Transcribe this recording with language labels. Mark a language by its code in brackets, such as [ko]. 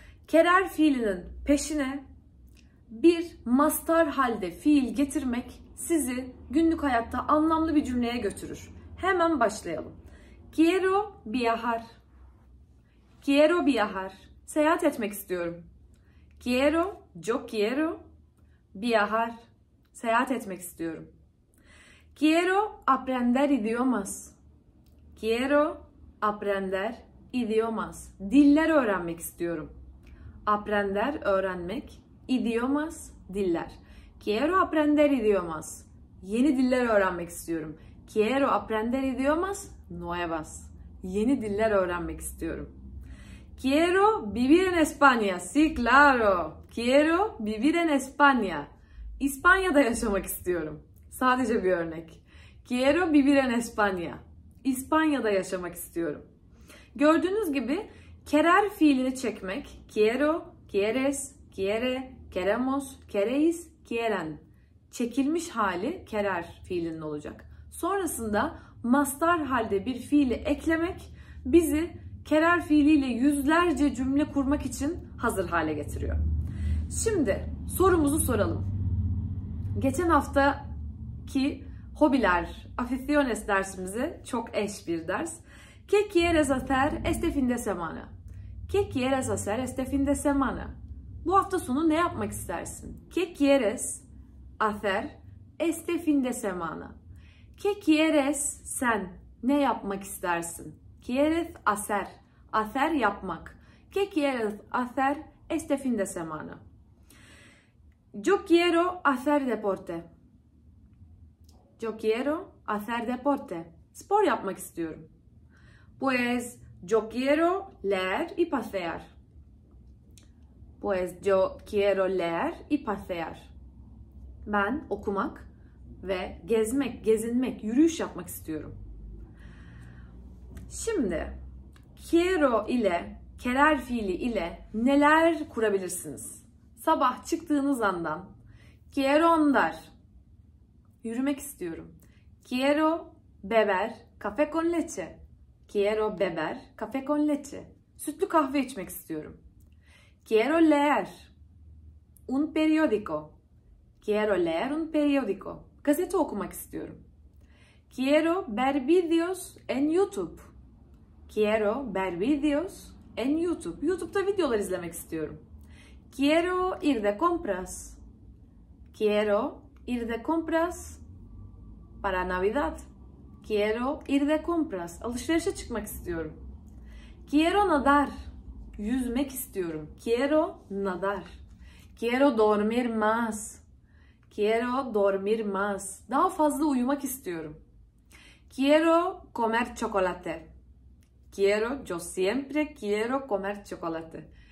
[tr] Querer fiilinin peşine bir mastar halde fiil getirmek sizi günlük hayatta anlamlı bir cümleye götürür. Hemen başlayalım. [es] Quiero viajar. Quiero viajar. [tr] Seyahat etmek istiyorum. [es] Quiero, yo quiero viajar. [tr] Seyahat etmek istiyorum. [es] Quiero aprender idiomas. Quiero aprender idiomas. [tr] Diller öğrenmek istiyorum. Aprender öğrenmek, idiomas diller. [es] Quiero aprender idiomas. [tr] Yeni diller öğrenmek istiyorum. [es] Quiero aprender idiomas nuevas. [tr] Yeni diller öğrenmek istiyorum. [es] Quiero vivir en España. Sí, claro. Quiero vivir en España. [tr] İspanya'da yaşamak istiyorum. Sadece bir örnek. [es] Quiero vivir en España. [tr] İspanya'da yaşamak istiyorum. Gördüğünüz gibi querer fiilini çekmek. [es] Quiero, quieres, quiere, queremos, queréis, quieren. [tr] Çekilmiş hali querer fiilinin olacak. Sonrasında mastar halde bir fiili eklemek bizi querer fiiliyle yüzlerce cümle kurmak için hazır hale getiriyor. Şimdi sorumuzu soralım. Geçen haftaki hobiler, aficiones dersimizi çok eş bir ders. [es] ¿Qué quieres hacer este fin de semana? ¿Qué quieres hacer este fin de semana? [tr] Bu hafta sonu ne yapmak istersin? [es] ¿Qué quieres hacer este fin de semana? ¿Qué quieres [tr] sen? Ne yapmak istersin? [es] ¿Quieres hacer? Hacer yapmak. ¿Qué quieres hacer este fin de semana? Yo quiero hacer deporte. Yo quiero hacer deporte. [tr] Spor yapmak istiyorum. [es] Pues yo quiero leer y pasear. Pues yo quiero leer y pasear. [tr] Ben okumak ve gezmek, gezinmek, yürüyüş yapmak istiyorum. Şimdi quiero ile querer fiili ile neler kurabilirsiniz? Sabah çıktığınız andan [es] quiero andar, [tr] yürümek istiyorum. [es] Quiero beber café con leche. Quiero beber café con leche. [tr] Sütlü kahve içmek istiyorum. [es] Quiero leer un periódico. Quiero leer un periódico. [tr] Gazete okumak istiyorum. [es] Quiero ver videos en YouTube. Quiero ver videos en YouTube. [tr] YouTube'da videolar izlemek istiyorum. [es] Quiero ir de compras. Quiero ir de compras para Navidad. Quiero ir de compras. [tr] Alışverişe çıkmak istiyorum. [es] Quiero nadar. [tr] Yüzmek istiyorum. [es] Quiero nadar. Quiero dormir más. Quiero dormir más. [tr] Daha fazla uyumak istiyorum. [es] Quiero comer chocolate. Quiero, yo siempre quiero comer chocolate.